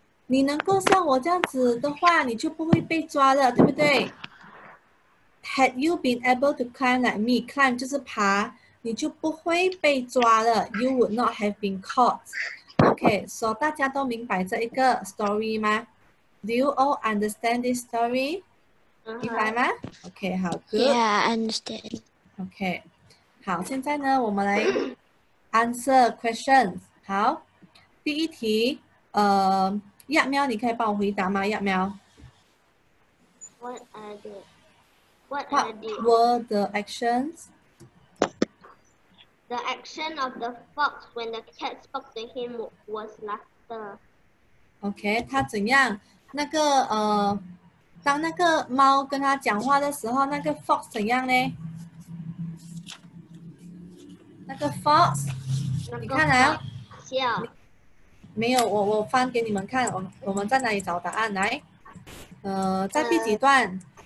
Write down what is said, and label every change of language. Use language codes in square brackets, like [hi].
[zh] 你能够像我这样子的话，你就不会被抓了，对不对？ [en] Had you been able to climb like me, climb [zh] 就是爬，你就不会被抓了， [en] you would not have been caught. Okay, so [zh] 大家都明白这一个 story 吗？ [en] Do you all understand this story? [zh] 明白吗？ [en] Okay, [zh] 好， [en] good. Yeah, I understand. [zh] Okay, 好， 现在呢， 我们来 [en] answer questions. [zh] 好， 第一题， 亚喵， 你可以帮我回答吗？亚喵， [en] What were the actions? The action of the fox when the cat spoke to him was laughter. [zh] Okay, 他怎样？那个, 当那个猫跟他讲话的时候, 那个 fox 怎样呢？那个 fox， 你看来哦，笑。没有， 我翻给你们看， 我们在哪里找答案， 来， 在第几段？